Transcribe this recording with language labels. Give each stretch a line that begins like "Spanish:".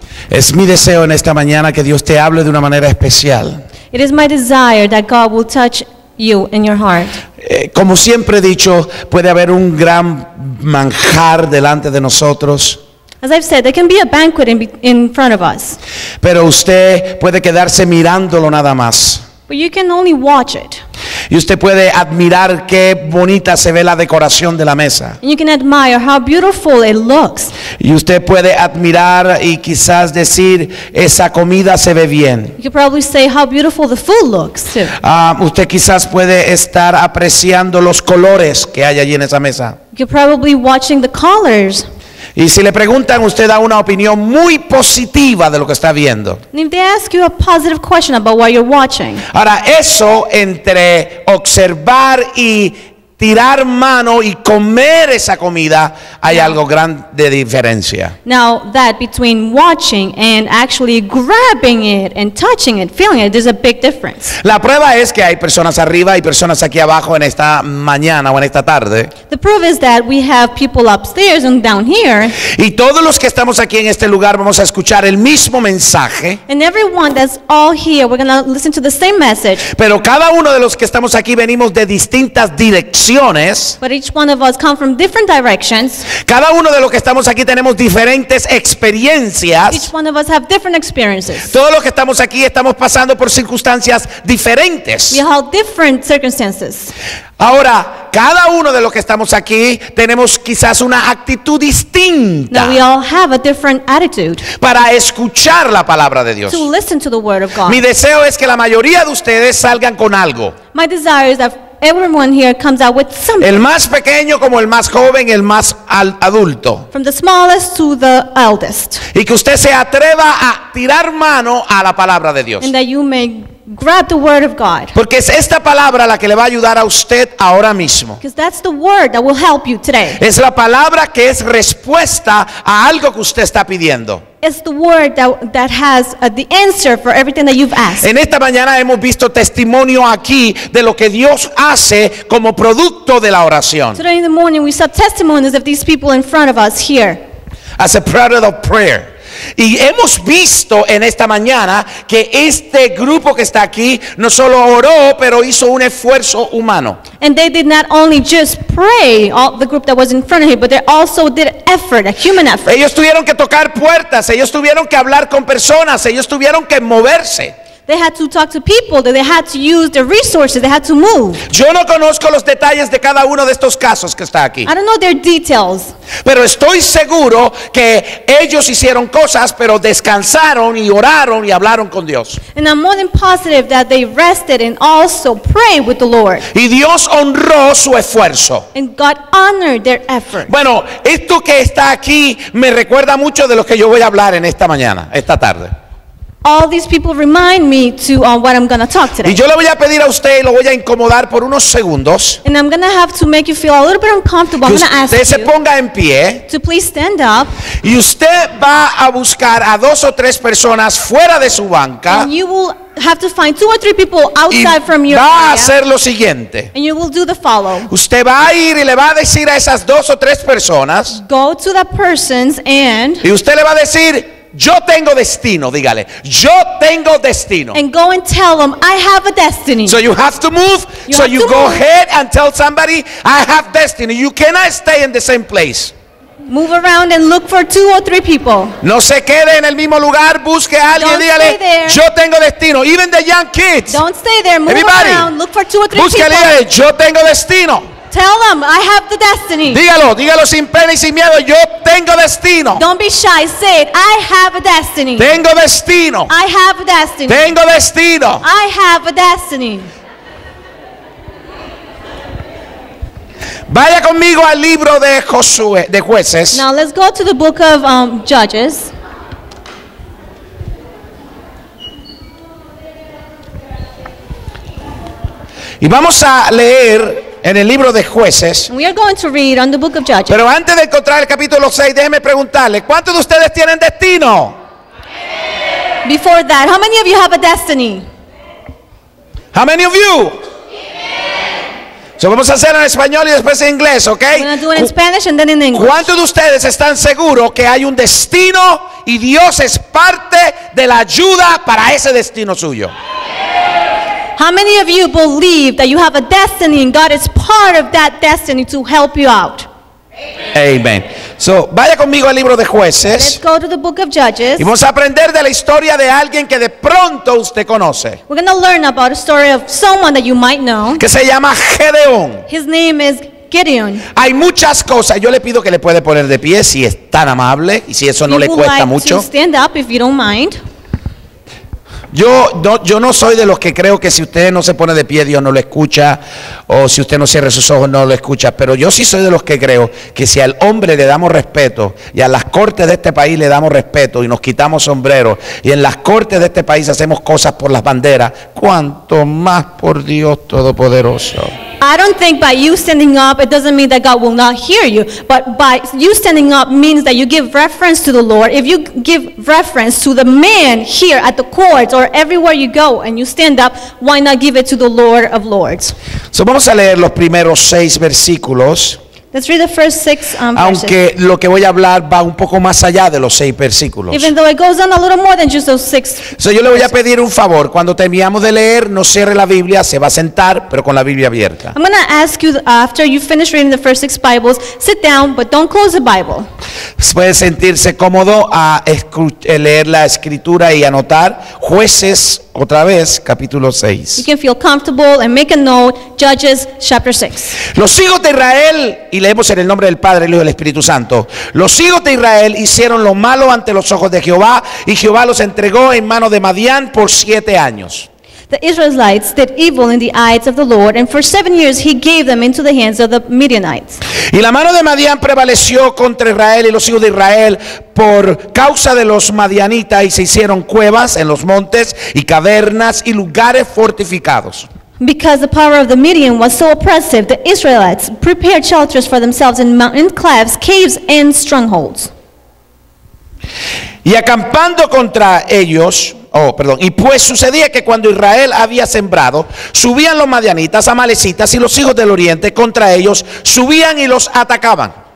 Spanish: Es mi deseo en esta mañana que Dios te hable de una manera especial.
English: It is my desire that God will touch you in your heart.
Spanish: Como siempre he dicho, puede haber un gran manjar delante de nosotros.
English: As I've said, there can be a banquet in front of us.
Spanish: Pero usted puede quedarse mirándolo nada más.
English: But you can only watch it.
Spanish: Y usted puede admirar qué bonita se ve la decoración de la mesa.
English: And you can admire how beautiful it looks.
Spanish: Y usted puede admirar y quizás decir, esa comida se ve bien.
English: You could probably say how beautiful the food looks too.
Spanish: Usted quizás puede estar apreciando los colores que hay allí en esa mesa.
English: You're probably watching the colors.
Spanish: Y si le preguntan, usted da una opinión muy positiva de lo que está viendo. Ahora, eso entre observar y tirar mano y comer esa comida, hay algo grande diferencia.
English: Now, that between watching and actually grabbing it and touching it, feeling it, there's a big difference.
Spanish: La prueba es que hay personas arriba y personas aquí abajo en esta mañana o en esta tarde.
English: The proof is that we have people upstairs and down here.
Spanish: Y todos los que estamos aquí en este lugar vamos a escuchar el mismo mensaje.
English: And everyone that's all here, we're going to listen to the same message.
Spanish: Pero cada uno de los que estamos aquí venimos de distintas direcciones.
English: But each one of us come from different directions.
Spanish: Cada uno de los que estamos aquí tenemos diferentes experiencias.
English: Each one of us have different experiences.
Spanish: Todos los que estamos aquí estamos pasando por circunstancias diferentes.
English: We have different circumstances.
Spanish: Ahora, cada uno de los que estamos aquí tenemos quizás una actitud distinta.
English: Now we all have a different attitude.
Spanish: Para escuchar la palabra de Dios.
English: To listen to the word of God.
Spanish: Mi deseo es que la mayoría de ustedes salgan con algo.
English: My desire is that everyone here comes out with something.
Spanish: El más pequeño como el más joven, el más adulto.
English: From the smallest to the eldest.
Spanish: Y que usted se atreva a tirar mano a la palabra de Dios.
English: And that you may grab the word of God.
Spanish: Porque es esta palabra la que le va a ayudar a usted ahora mismo.
English: Because that's the word that will help you today.
Spanish: Es la palabra que es respuesta a algo que usted está pidiendo.
English: It's the word that has the answer for everything that you've asked.
Spanish: En esta mañana hemos visto testimonio aquí de lo que Dios hace como producto de la oración.
English: Today in the morning we saw testimonies of these people in front of us here. As a product of prayer.
Spanish: Y hemos visto en esta mañana que este grupo que está aquí no solo oró, pero hizo un esfuerzo humano.
English: And they did not only just pray, all the group that was in front of him, but they also did effort, a human effort.
Spanish: Ellos tuvieron que tocar puertas, ellos tuvieron que hablar con personas, ellos tuvieron que moverse.
English: They had to talk to people, that they had to use their resources, they had to move.
Spanish: Yo no conozco los detalles de cada uno de estos casos que está aquí.
English: I don't know their details.
Spanish: Pero estoy seguro que ellos hicieron cosas, pero descansaron y oraron y hablaron con Dios.
English: And I'm more than positive that they rested and also prayed with the Lord.
Spanish: Y Dios honró su esfuerzo.
English: And God honored their effort.
Spanish: Bueno, esto que está aquí me recuerda mucho de lo que yo voy a hablar en esta mañana, esta tarde.
English: All these people remind me to what I'm going to talk today.
Spanish: Y yo le voy a pedir a usted y lo voy a incomodar por unos segundos.
English: And I'm going to have to make you feel a little bit uncomfortable. I'm going to ask you.
Spanish: Usted se ponga en pie.
English: To please stand up.
Spanish: Y usted va a buscar a dos o tres personas fuera de su banca.
English: And you will have to find two or three people outside from your
Spanish: Y va a hacer lo siguiente.
English: And you will do the follow.
Spanish: Usted va a ir y le va a decir a esas dos o tres personas.
English: Go to the persons and.
Spanish: Y usted le va a decir, yo tengo destino, dígale. Yo tengo destino.
English: And go and tell them, I have a destiny. So you have to move. You so you go move. Ahead and tell somebody, I have destiny. You cannot stay in the same place. Move around and look for two or three people.
Spanish: No se quede en el mismo lugar. Busque a alguien,
English: don't
Spanish: dígale.
English: Stay there.
Spanish: Yo tengo destino.
English: Even the young kids. Don't stay there. Move everybody, around. Look for two or three
Spanish: busque
English: people.
Spanish: Busque a alguien. Yo tengo destino.
English: Tell them, I have the destiny.
Spanish: Dígalo, dígalo sin pena y sin miedo. Yo tengo destino.
English: Don't be shy. Say it. I have a destiny.
Spanish: Tengo destino.
English: I have a destiny.
Spanish: Tengo destino.
English: I have a destiny.
Spanish: Vaya conmigo al libro de Josué, de Jueces.
English: Now let's go to the book of Judges.
Spanish: Capítulo Y vamos a leer en el libro de Jueces.
English: We are going to read on the book of Judges.
Spanish: Pero antes de encontrar el capítulo 6, déjeme preguntarle, ¿cuántos de ustedes tienen destino?
English: Before that, how many of you have a destiny? How many of you?
Spanish: So vamos a hacer en español y después en inglés, ¿ok?
English: We're going to do it in Spanish and then in English.
Spanish: ¿Cuántos de ustedes están seguros que hay un destino y Dios es parte de la ayuda para ese destino suyo?
English: How many of you believe that you have a destiny and God is part of that destiny to help you out?
Spanish: Amen. So, vaya conmigo al libro de Jueces.
English: Let's go to the book of Judges.
Spanish: Y vamos a aprender de la historia de alguien que de pronto usted conoce.
English: We're going to learn about a story of someone that you might know.
Spanish: Que se llama Gedeón.
English: His name is Gideon.
Spanish: Hay muchas cosas. Yo le pido que le puede poner de pie si es tan amable y si eso no le cuesta mucho.
English: To stand up if you don't mind.
Spanish: Yo no soy de los que creo que si usted no se pone de pie, Dios no lo escucha, o si usted no cierra sus ojos, no lo escucha. Pero yo sí soy de los que creo que si al hombre le damos respeto, y a las cortes de este país le damos respeto, y nos quitamos sombreros, y en las cortes de este país hacemos cosas por las banderas, cuanto más por Dios Todopoderoso.
English: I don't think by you standing up, it doesn't mean that God will not hear you. But by you standing up means that you give reference to the Lord. If you give reference to the man here at the courts or everywhere you go and you stand up, why not give it to the Lord of Lords?
Spanish: So vamos a leer los primeros seis versículos.
English: Let's read the first six verses.
Spanish: Aunque lo que voy a hablar va un poco más allá de los seis versículos.
English: Even though it goes on a little more than just those six.
Spanish: So yo le voy a pedir un favor. Cuando terminamos de leer, no cierre la Biblia, se va a sentar, pero con la Biblia abierta.
English: I'm going to ask you after you finish reading the first six Bibles, sit down, but don't close the Bible.
Spanish: Puede sentirse cómodo a leer la escritura y anotar Jueces otra vez, capítulo 6.
English: You can feel comfortable and make a note, Judges chapter 6.
Spanish: Los hijos de Israel, y leemos en el nombre del Padre, el Hijo y el Espíritu Santo. Los hijos de Israel hicieron lo malo ante los ojos de Jehová, y Jehová los entregó en mano de Madián por 7 años.
English: The Israelites did evil in the eyes of the Lord, and for 7 years he gave them into the hands of the Midianites.
Spanish: Y la mano de Madián prevaleció contra Israel y los hijos de Israel por causa de los madianitas, y se hicieron cuevas en los montes y cavernas y lugares fortificados.
English: Because the power of the Midian was so oppressive, the Israelites prepared shelters for themselves in mountain clefts, caves, and strongholds.
Spanish: Y acampando contra ellos, y pues sucedía que cuando Israel había sembrado, subían los madianitas, amalecitas y los hijos del oriente contra ellos, subían y los atacaban.